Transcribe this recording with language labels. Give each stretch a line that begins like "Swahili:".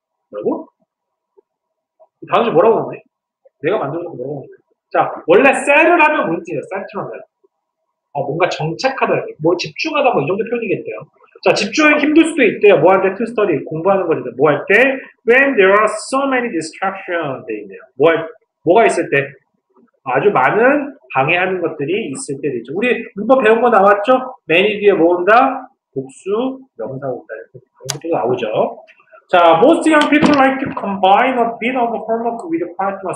Korean: 뭐라고? 다음주 뭐라고 하네? 내가 만든 거 뭐라고 하네? 자, 원래 settle 하면 뭔 뜻이에요? settle 하면. 뭔가 정착하다, 뭐 집중하다, 뭐 이 정도 표현이겠대요. 자, 집중하기 힘들 수도 있대요. 뭐 할 때
English: to study,
Korean: 공부하는 거지. 뭐 할 때?
English: When there are so many distractions
Korean: 돼 있네요. 뭐가 있을 때? 아주 많은 방해하는 것들이 있을 때 되죠. 우리 문법 배운 거 나왔죠? many 뒤에 뭐 온다? 복수, 명사 온다. 이렇게 또 나오죠. 자,
English: most young people like to combine a bit of homework with quiet time.